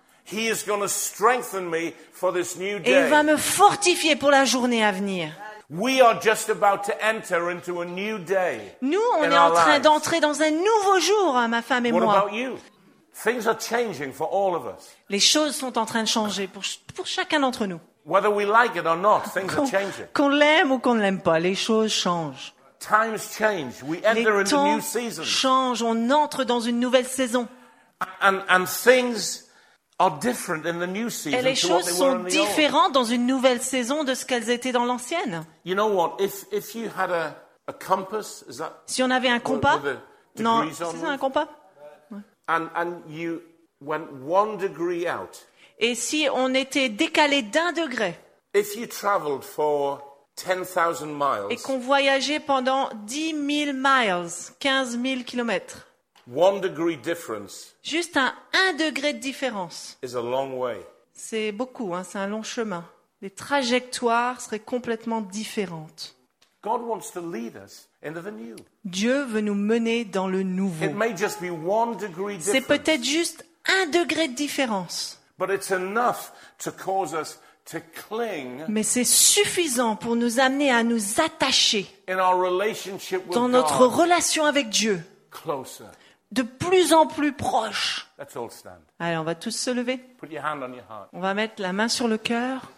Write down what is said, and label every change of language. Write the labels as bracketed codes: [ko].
[en] He is going to strengthen me for this new day. [fr] Et il va me fortifier pour la journée à venir. [en] We are just about to enter into a new day. [fr] Nous, on est en train d'entrer dans un nouveau jour, ma femme et [en] what [fr] moi. [en] What about you? Things are changing for all of us. [fr] Les choses sont en train de changer pour chacun d'entre nous. [en] Whether we like it or not, things are changing. [fr] Qu'on l'aime ou qu'on ne l'aime pas, les choses changent. [en] Times change. We enter into a new season. [fr] Les temps changent. On entre dans une nouvelle saison. [en] And things are different in the new season. [fr] Et les choses sont différentes dans une nouvelle saison de ce qu'elles étaient dans l'ancienne. [en] You know what? If you had a compass, is that? [fr] Si on avait un compas. Non, c'est ça, un compas. [en] And you went 1 degree out. [fr] Et si on était décalé d'un degré? [en] If you traveled for 10,000 miles. [fr] Et qu'on voyageait pendant 10,000 miles, 15,000 kilomètres. [en] 1 degree difference. [fr] Juste un degré de différence. [en] Is a long way. [fr] C'est beaucoup, hein, c'est un long chemin. Les trajectoires seraient complètement différentes. [en] God wants to lead us into the new. [fr] Dieu veut nous mener dans le nouveau. [en] It may just be 1 degree difference. [fr] C'est peut-être juste un degré de différence. [en] But it's enough to cause us to cling. [fr] Mais c'est suffisant pour nous amener à nous attacher [en] in our relationship with [fr] dans notre relation avec Dieu. [en] Closer. [fr] De plus en plus proche. [en] Let's all stand. [fr] Allez, on va tous se lever. [en] Put your hand on your heart. [fr] On va mettre la main sur le cœur.